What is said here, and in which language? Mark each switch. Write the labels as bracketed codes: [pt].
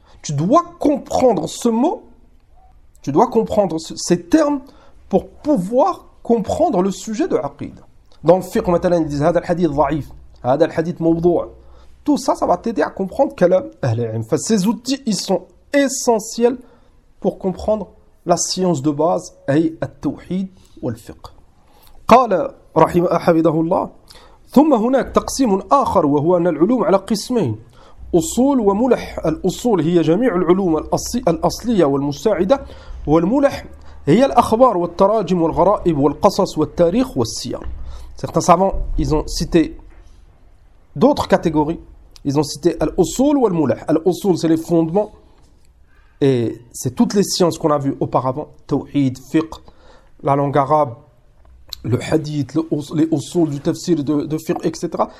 [fr] Tu dois comprendre ce mot, tu dois comprendre ces termes pour pouvoir comprendre le sujet de l'aqid. Dans le fiqh, maintenant, ils disent « [ar] هذا الحديث ضعيف »« هذا الحديث موضوع [fr] » Tout ça, ça va t'aider à comprendre [ar] كلام أهل العلم. [fr] Ces outils, ils sont essentiels pour comprendre la science de base, [ar] أي التوحيد والفiqh. « قال رحمه حفظه الله ثم هناك تقسيم آخر وهو أن العلوم على قسمين أصول وملح. الأصول هي جميع العلوم الأصلية والمساعدة والملح هي الأخبار والتراجم والغرائب والقصص والتاريخ والسير. [fr] Certains savants, ils ont cité d'autres catégories. Ils ont cité [ar] الأصول والملح. [fr] الأصول, c'est les fondements. Et c'est toutes les sciences qu'on a vues auparavant, tawhid, fiqh, la langue arabe, le hadith, les usul du tafsir de fiqh, etc.